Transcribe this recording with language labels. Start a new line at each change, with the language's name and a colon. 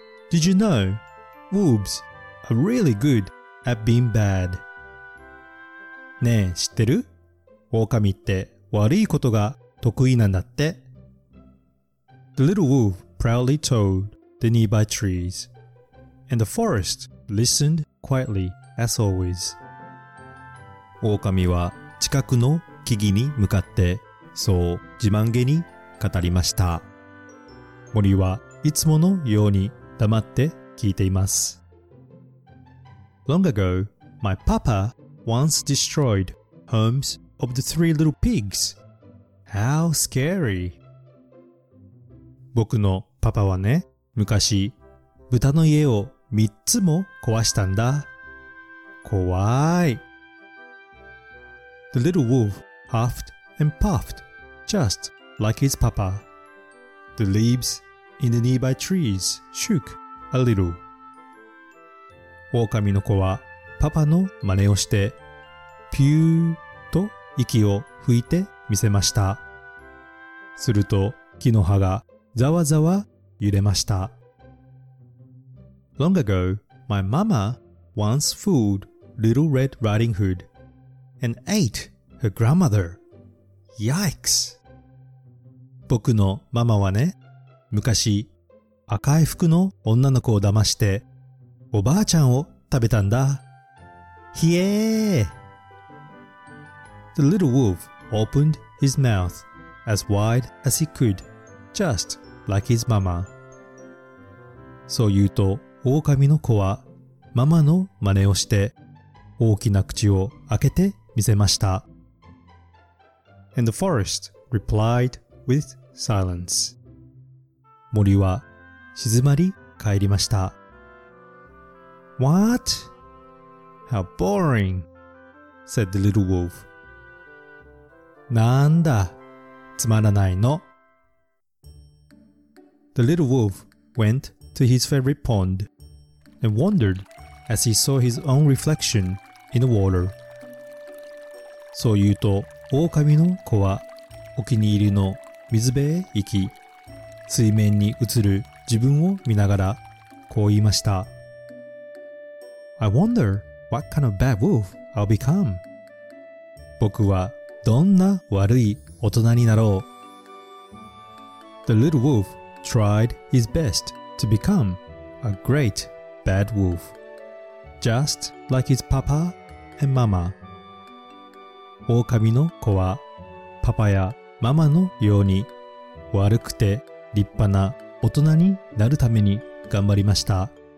English: Did you know wolves are really good at being bad?
Japanese: ねえ知ってる？狼って悪いことが得意なんだって。
English: The little wolf proudly told the nearby trees and the forest listened quietly as always。
Japanese: 狼は近くの木々に向かってそう自慢げに語りました。森はいつものように黙って聞いています。
English: Long ago, my papa once destroyed homes of the three little pigs. How scary!
Japanese: 僕のパパはね、昔豚の家を三つも壊したんだ。怖い。
English: The little wolf huffed and puffed just like his papa. The leaves in the nearby trees shook a little.
Japanese: 狼の子はパパの真似をしてピューと息を吹いてみせました。すると木の葉がざわざわ揺れました。
English: Long ago, my mama once fooled Little Red Riding Hood and ate her grandmother. Yikes!
Japanese: 僕のママはね、昔赤い服の女の子を騙しておばあちゃんを食べたんだ。ひえー。
English: The little wolf opened his mouth as wide as he could, just like his mama.
Japanese: そう言うと、狼の子はママの真似をして大きな口を開けてみせました。
English: And the forest replied with silence.
Japanese: 森は静まり返りました。
English: What? How boring, said the little wolf.
Japanese: なんだ、つまらないの。
English: The little wolf went to his favorite pond and wondered as he saw his own reflection in the water.
Japanese: そう言うと狼の子はお気に入りの水辺へ行き、水面に映る自分を見ながらこう言いました。
English: I wonder what kind of bad wolf I'll become.
Japanese: 僕はどんな悪い大人になろう。
English: The little wolf tried his best to become a great bad wolf, just like his papa and mama.
Japanese: 狼の子はパパやママのように悪くて立派な大人になるために頑張りました。